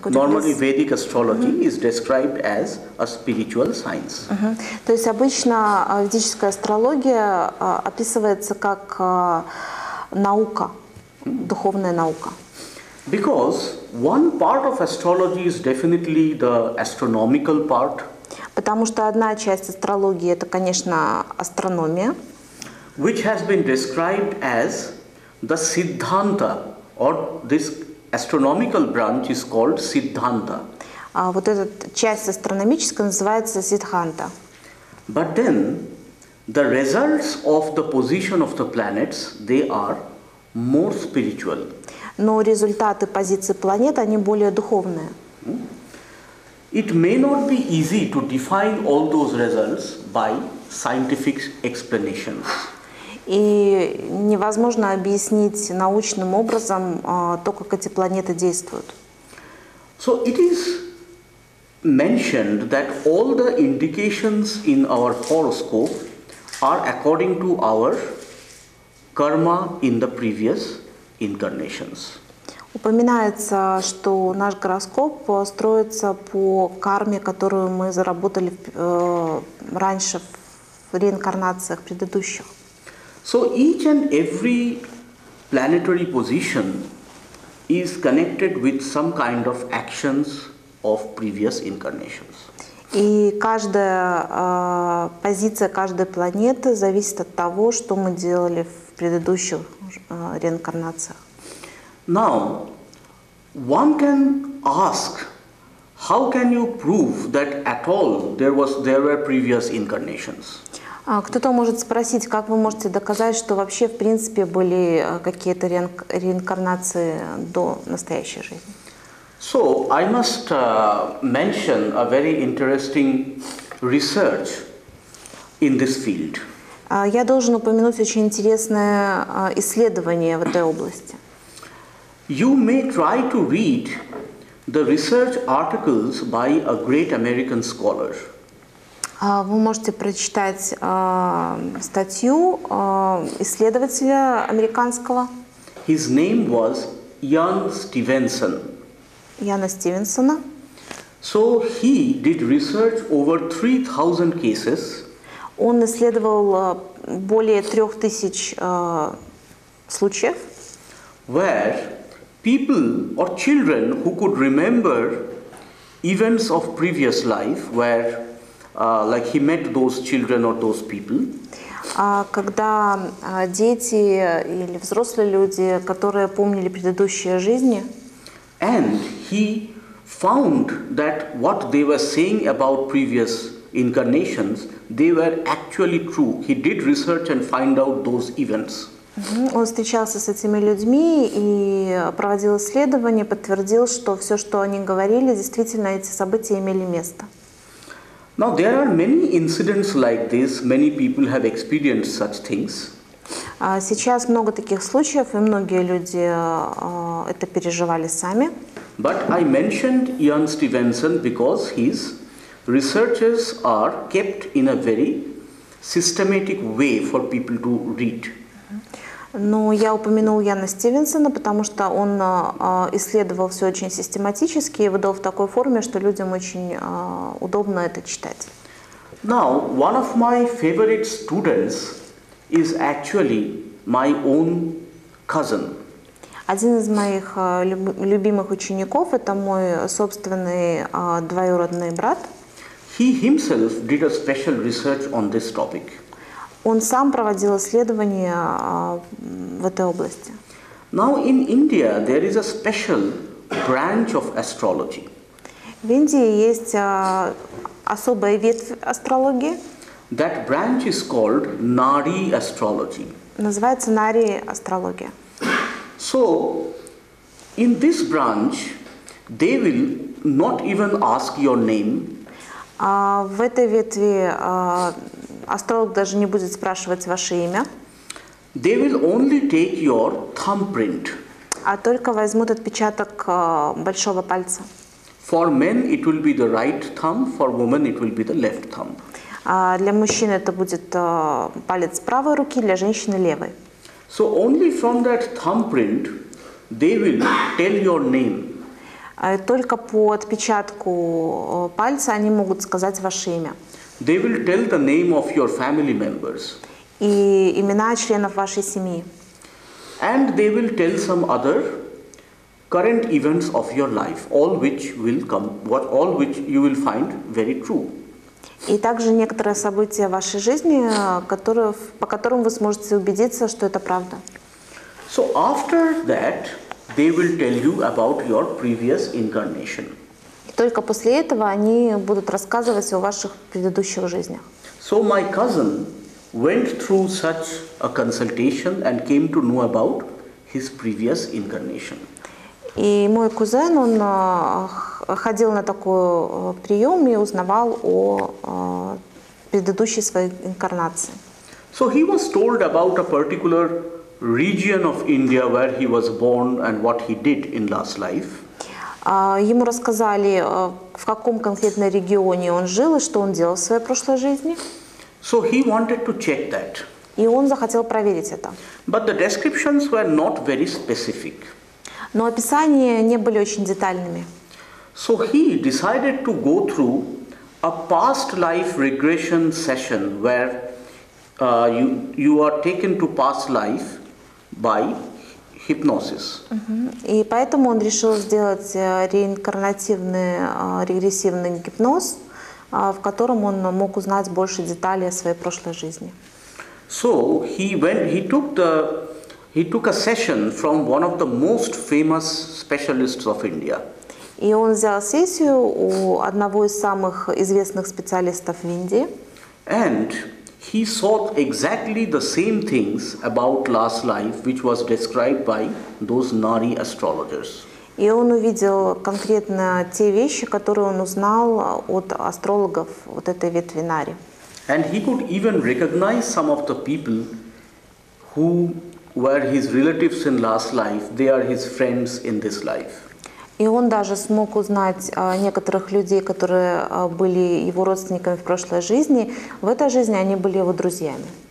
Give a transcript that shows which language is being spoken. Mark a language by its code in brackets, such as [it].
[en] Could normally, Vedic astrology is described as a spiritual science. [ru] То есть обычно ведическая астрология описывается как наука, духовная наука. [en] Because one part of astrology is definitely the astronomical part. [ru] Потому что одна часть астрологии это, конечно, астрономия. [en] Which has been described as the Siddhanta. Or this astronomical branch is called Siddhanta. [ru] Вот эта часть астрономическая называется Siddhanta. [en] But then, the results of the position of the planets, they are more spiritual. [ru] Но результаты позиции планет, они более духовные. [en] It may not be easy to define all those results by scientific explanations. [ru] И невозможно объяснить научным образом то, как эти планеты действуют. [en] So it is mentioned that all the indications in our horoscope are according to our karma in the previous incarnations. [ru] Упоминается, что наш гороскоп строится по карме, которую мы заработали раньше в реинкарнациях предыдущих. [en] So each and every planetary position is connected with some kind of actions of previous incarnations. [ru] И каждая позиция каждой планеты зависит от того, что мы делали в предыдущих реинкарнациях. [en] Now, one can ask, how can you prove that at all there were previous incarnations? [ru] Кто-то может спросить, как вы можете доказать, что вообще, в принципе, были какие-то реинкарнации до настоящей жизни? [en] So, I must mention a very interesting research in this field. [ru] Я должен упомянуть очень интересное исследование в этой области. [en] You may try to read the research articles by a great American scholar. [ru] Вы можете прочитать статью исследователя американского. [en] His name was Ian Stevenson. [ru] Яна Стивенсона. [en] So he did research over 3,000 cases. [ru] Он исследовал более 3,000 случаев. [en] Where people or children who could remember events of previous life were like he met those children or those people. [ru] Когда дети или взрослые люди, которые помнили предыдущие жизни. [en] And he found that what they were saying about previous incarnations, they were actually true. He did research and find out those events. [ru] Он встречался с этими людьми и проводил исследование, подтвердил, что все, что они говорили, действительно эти события имели место. [en] Now there are many incidents like this. Many people have experienced such things. [ru] Сейчас много таких случаев, и многие люди это переживали сами. [en] But I mentioned Ian Stevenson because his researches are kept in a very systematic way for people to read. [ru] Но я упомянул Яна Стивенсона, потому что он исследовал все очень систематически и выдал в такой форме, что людям очень удобно это читать. [en] Now, one of my favorite students is actually my own cousin. [ru] Один из моих любимых учеников – это мой собственный двоюродный брат. [en] He himself did a special research on this topic. [ru] Он сам проводил исследования в этой области. [en] Now in India there is a special branch of astrology. [ru] В Индии есть особая ветвь астрологии. [en] That branch is called Nari astrology. [ru] Называется Нари астрология. [en] So in this branch they will not even ask your name. [ru] В этой ветви астролог даже не будет спрашивать ваше имя. [en] They will only take your thumbprint. [ru] А только возьмут отпечаток большого пальца. [en] For men it will be the right thumb, for women it will be the left thumb. [ru] Для мужчин это будет палец правой руки, для женщины левой. [en] So only from that thumbprint they will tell your name. [ru] Только по отпечатку пальца они могут сказать ваше имя. [en] They will tell the name of your family members. [ru] И имена членов вашей семьи. [en] And they will tell some other current events of your life, all which will come, what all which you will find very true. [ru] И также некоторые события вашей жизни, по которым вы сможете убедиться, что это правда. [en] So after that, they will tell you about your previous incarnation. [ru] Только после этого они будут рассказывать о ваших предыдущих жизнях. [en] So my cousin went through such a consultation and came to know about his previous incarnation. [ru] И мой кузен, он ходил на такой прием и узнавал о предыдущей своей инкарнации. [en] So he was told about a particular region of India where he was born and what he did in last life. [ru] Ему рассказали, в каком конкретном регионе он жил и что он делал в своей прошлой жизни. [en] So he wanted to check that. [ru] И он захотел проверить это. [en] But the descriptions were not very specific. [ru] Но описания не были очень детальными. [en] So he decided to go through a past life regression session where you are taken to past life by hypnosis. [ru] И поэтому он решил сделать реинкарнативный регрессивный гипноз, в котором он мог узнать больше деталей о своей прошлой жизни. [en] So he took a session from one of the most famous specialists of India. [ru] И он взял сессию у одного из самых известных специалистов в Индии. [en] And he saw exactly the same things about last life, which was described by those Nari astrologers. [ru] И он увидел конкретно те вещи, которые он узнал от астрологов вот этой ветви Нари. [en] And he could even recognize some of the people who were his relatives in last life. They are his friends in this life. [ru] И он даже смог узнать некоторых людей, которые были его родственниками в прошлой жизни. В этой жизни они были его друзьями.